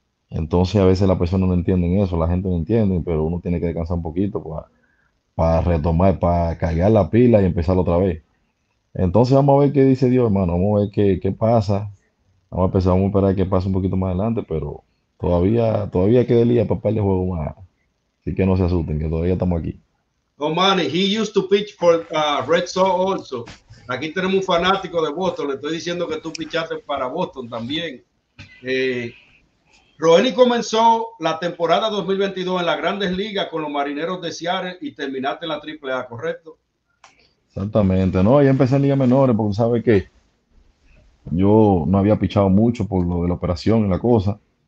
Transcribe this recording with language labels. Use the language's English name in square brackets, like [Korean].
[Spanish] Entonces a veces las personas no entienden eso, la gente no entiende, pero uno tiene que descansar un poquito para retomar, para cargar la pila y empezar otra vez. Entonces vamos a ver qué dice Dios, hermano, vamos a ver qué pasa. Vamos a esperar que pase un poquito más adelante, pero todavía queda el día para pararle el juego más. Así que no se asusten, que todavía estamos aquí. [English] Oh, Manny, he used to pitch for Red Sox also. [Spanish] Aquí tenemos un fanático de Boston, le estoy diciendo que tú pichaste para Boston también. Roeni comenzó la temporada 2022 en las Grandes Ligas con los Marineros de Seattle y terminaste la AAA, ¿correcto? Exactamente, no, ya empecé en ligas menores, porque sabes que yo no había pichado mucho por lo de la operación y la cosa.